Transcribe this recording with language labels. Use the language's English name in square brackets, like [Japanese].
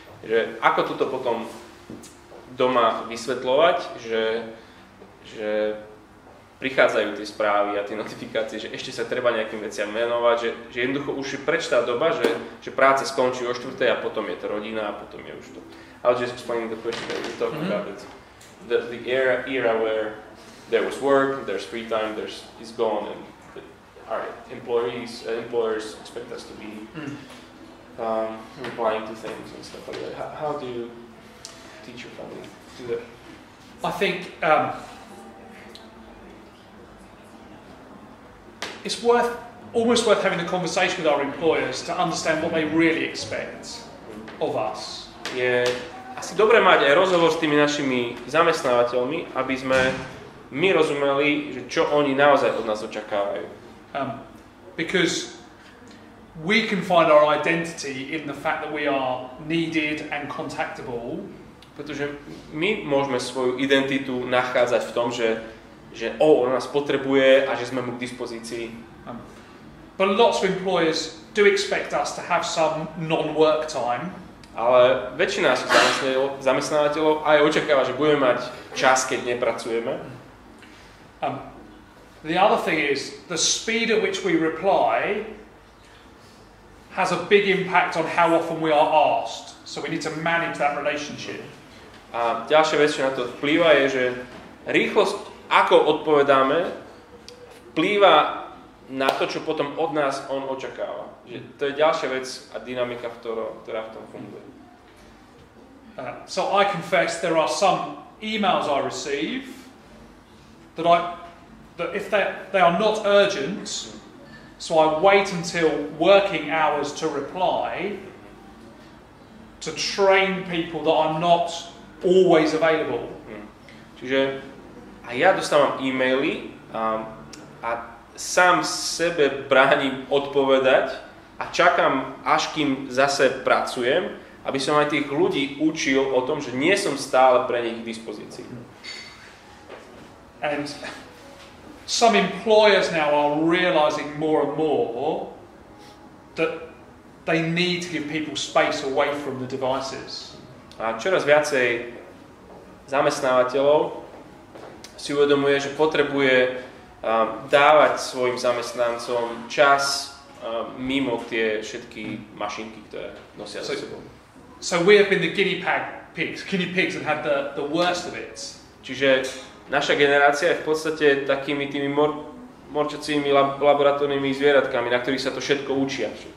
[Slovak] Že ako toto potom doma vysvetľovať, že prichádzajú tie správy a tie notifikácie, že ešte sa treba nejakým veciam venovať, že jednoducho už je preč tá doba, že práca skončí o 4 a potom je to rodina a potom je už to. [English] I'll just explain the question that we talked about. It. The era where there was work, there's free time, there's is gone, and our employers expect us to be replying to things and stuff like that. How do you teach your family to do that? I think it's almost worth having the conversation with our employers to understand what they really expect of us. [Slovak] Je asi dobre mať aj rozhovor s tými našimi zamestnávateľmi, aby sme my rozumeli, že čo oni naozaj od nás očakávajú. [English] Because we can find our identity in the fact that we are needed and contactable. [Slovak] Pretože my môžeme svoju identitu nachádzať v tom, že on nás potrebuje a že sme mu k dispozícii. [English] But lots of employers do expect us to have some non-work time. [Slovak] Ale väčšina zamestnávateľov aj očakáva, že budeme mať čas, keď nepracujeme. [English] The other thing is, the speed at which we reply has a big impact on how often we are asked. So we need to manage that relationship. [Slovak] A ďalšia vec, čo na to vplýva, je, že rýchlosť, ako odpovedáme, vplýva na to, čo potom od nás on očakáva. Že to je ďalšia vec a dynamika, ktorá v tom funguje. [English] So I confess there are some emails I receive that I that if they are not urgent, so I wait until working hours to reply, to train people that I'm not always available. [Slovak] Čiže ja dostávam e-maily a sám sebe bránim odpovedať a čakám, až kým zase pracujem, aby som aj tých ľudí učil o tom, že nie som stále pre nich k dispozícii. [English] And some employers now are realizing more and more that they need to give people space away from the devices. [Slovak] A čoraz viacej zamestnávateľov si uvedomuje, že potrebuje dávať svojim zamestnancom čas mimo tie všetky mašinky, ktoré nosia so sebou. [English] So we have been the guinea pigs and had the worst of it. [Slovak] Čiže naša generácia je v podstate takými tými morčacími laboratórnymi zvieratkami, na ktorých sa to všetko učia.